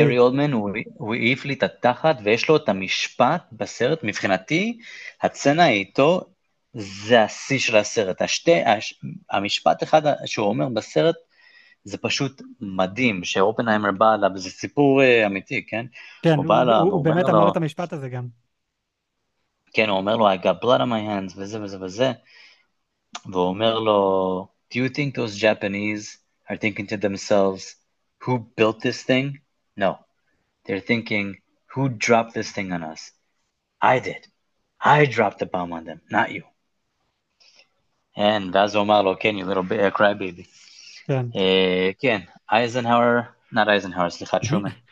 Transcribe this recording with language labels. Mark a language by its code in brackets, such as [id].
[he] גרי אולדמן, הוא העיף לי את התחת, ויש לו את המשפט בסרט. מבחינתי, הצנה איתו, זה השיא של הסרט. המשפט אחד שהוא אומר בסרט, זה פשוט מדהים, שאופנהיימר בא אליו, זה סיפור אמיתי, כן? כן, הוא בא אליו, הוא הוא אומר באמת לו, אמר את המשפט הזה גם. כן, הוא אומר לו, [en] I got blood on my hands, [he] וזה וזה וזה, והוא אומר לו, [en] do you think those Japanese are thinking to themselves, who built this thing? No. They're thinking, who dropped this thing on us? I did. I dropped the bomb on them, not you. And [he] ואז [en] הוא אמר לו, can you little cry baby? [he] כן. כן, אייזנהאואר, [en] not [he] אייזנהאואר, סליחה, טרומן.